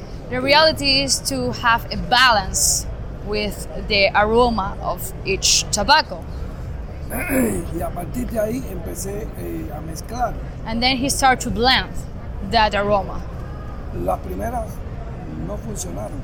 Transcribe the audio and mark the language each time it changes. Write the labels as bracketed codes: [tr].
[en] The reality is to have a balance with the aroma of each tobacco. [es] Y a partir de ahí empecé a mezclar. [en] And then he started to blend that aroma. [es] La primera no funcionaron.